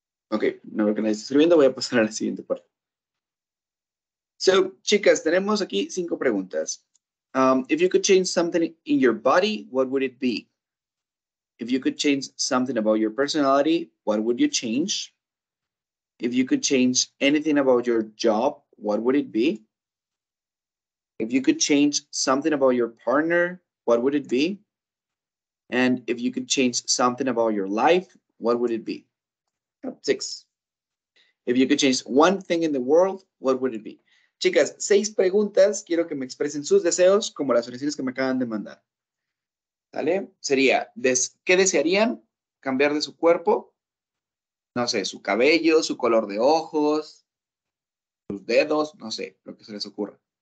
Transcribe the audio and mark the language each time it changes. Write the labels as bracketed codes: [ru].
[es] Ok, no veo que nadie esté escribiendo, voy a pasar a la siguiente parte. So, chicas, tenemos aquí 5 preguntas. [en] If you could change something in your body, what would it be? If you could change something about your personality, what would you change? If you could change anything about your job, what would it be? If you could change something about your partner, what would it be? And if you could change something about your life, what would it be? 6. If you could change one thing in the world, what would it be? [es] Chicas, 6 preguntas. Quiero que me expresen sus deseos como las oraciones que me acaban de mandar. ¿Vale? Sería, ¿qué desearían cambiar de su cuerpo? No sé, su cabello, su color de ojos, sus dedos, no sé, lo que se les ocurra.